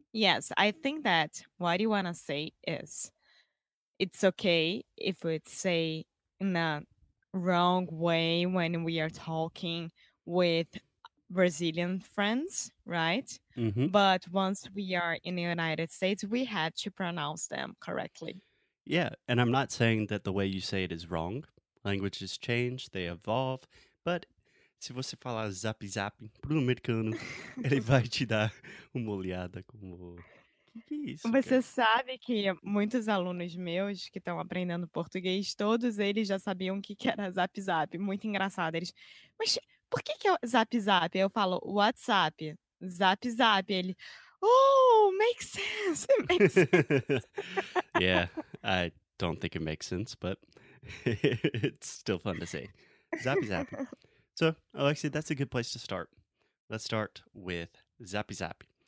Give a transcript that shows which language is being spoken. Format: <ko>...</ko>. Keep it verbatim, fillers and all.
<en>Yes, I think that what you want to say is it's okay if we say in a wrong way when we are talking with Brazilian friends, right? hmm But once we are in the United States, we had to pronounce them correctly. Yeah, and I'm not saying that the way you say it is wrong. Languages change, they evolve, but</en> <pt>se você falar zap zap pro americano, ele vai te dar uma olhada como que que é isso, Você cara? sabe que muitos alunos meus que estão aprendendo português, todos eles já sabiam o que que era Zap Zap. Muito engraçado. Eles, mas por que que é o Zap Zap? Eu falo WhatsApp, Zap Zap.</pt> <en>Ele, oh, makes sense, it makes sense. Yeah, I don't think it makes sense, but it's still fun to say. Zappy zappy. So, Alexia, that's a good place to start. Let's start with zappy zappy.</en>